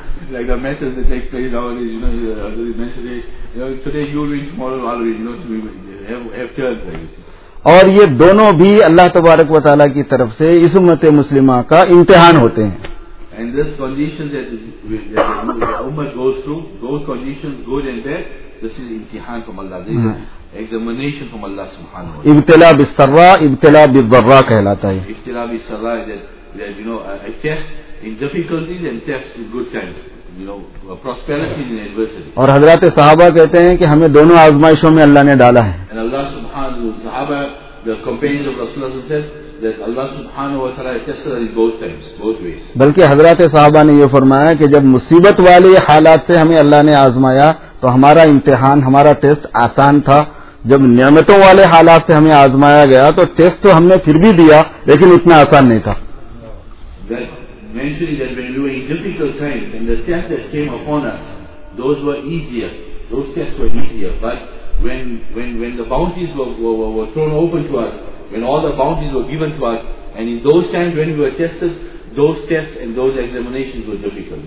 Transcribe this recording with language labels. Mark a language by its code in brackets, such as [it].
[en] Like the matches that take place nowadays, you know, as we mentioned it, you know, today you win, tomorrow I'll win, you know, to have turns like this. [ur] اور یہ دونوں بھی اللہ تبارک و تعالیٰ کی طرف سے اس امت مسلمہ کا امتحان ہوتے ہیں. [en] And this condition that the ummah goes through, those conditions, good and bad, this is imtihan from Allah. This is examination from Allah subhanahu wa ta'ala. [ur] ابتلا بالسرا، ابتلا بالضرا کہلاتا ہے. [ar] ابتلا بالسرا [en] that, you know, a test in difficulties and test in good times. You know, prosperity in adversity. [ur] اور حضرات صحابہ کہتے ہیں کہ ہمیں دونوں آزمائشوں میں اللہ نے ڈالا ہے. [en] And Allah subhanahu wa ta'ala, صحابہ, the companions of Rasulullah said that Allah subhanahu wa ta'ala tested us in both times, both ways. [ur] بلکہ حضرات صحابہ نے یہ فرمایا کہ جب مصیبت والے حالات سے ہمیں اللہ نے آزمایا تو ہمارا امتحان، ہمارا ٹیسٹ آسان تھا، جب نعمتوں والے حالات سے ہمیں آزمایا گیا تو ٹیسٹ تو ہم نے پھر بھی دیا لیکن اتنا آسان نہیں تھا. [en] Mentioning that when we were in difficult times and the tests that came upon us, those were easier. Those tests were easier. But when the bounties were thrown open to us, when all the bounties were given to us, and in those times when we were tested, those tests and those examinations were difficult.